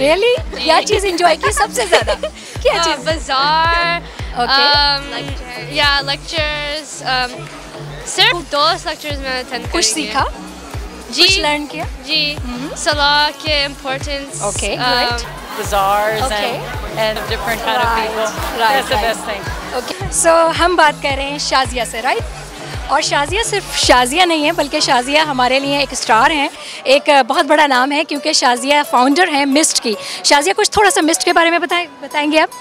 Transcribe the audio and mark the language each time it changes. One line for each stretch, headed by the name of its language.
Hindi: Really? क्या चीज़ enjoy की सबसे ज़्यादा? क्या चीज़? बाजार, या लेक्चर्स। सिर्फ दो लेक्चर्स मैंने अटेंड किए। कुछ सीखा? जी। कुछ लर्न किया? जी। सलाह के importance.
English: Okay, great. Bazaars and different kind of people. Right, The best thing. Okay.
Hindi: So हम बात कर रहे हैं शाजिया से, right? और शाजिया सिर्फ शाजिया नहीं है बल्कि शाजिया हमारे लिए एक स्टार हैं, एक बहुत बड़ा नाम है क्योंकि शाजिया फाउंडर हैं मिस्ट की। शाजिया कुछ थोड़ा सा मिस्ट के बारे में बताएंगे आप?